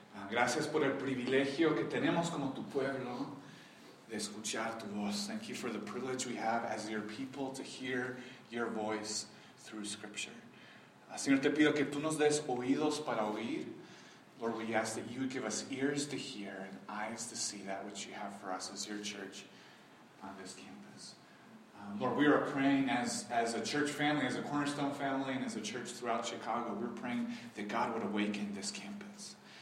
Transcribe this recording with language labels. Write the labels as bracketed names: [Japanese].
[Spanish] Gracias por el privilegio que tenemos como tu pueblo de escuchar tu voz. [English] Thank you for the privilege we have as your people to hear your voice through scripture. [Spanish] Señor, te pido que tú nos des oídos para oír. [English] Lord, we ask that you would give us ears to hear and eyes to see that which you have for us as your church on this campus. Lord, we are praying as a church family, as a Cornerstone family, and as a church throughout Chicago, we're praying that God would awaken this campus.